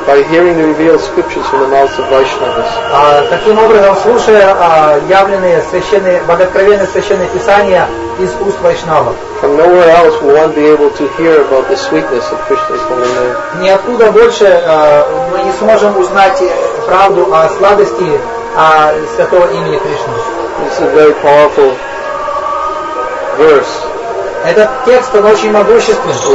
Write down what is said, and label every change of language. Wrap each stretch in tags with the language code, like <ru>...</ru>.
<en>By hearing the revealed scriptures from the mouths of Vaishnavas.</en> <ru>Таким образом, слушая явленные священные, богооткровенные священные писания из уст Вайшнавов.</ru> <en>From nowhere else will one be able to hear about the sweetness of Krishna's holy name.</en> <ru>Ниоткуда больше мы не сможем узнать правду о сладости Святого имени Кришны.</ru> <en>This is a very powerful verse.</en> <ru>Этот текст, он очень могущественный.</ru>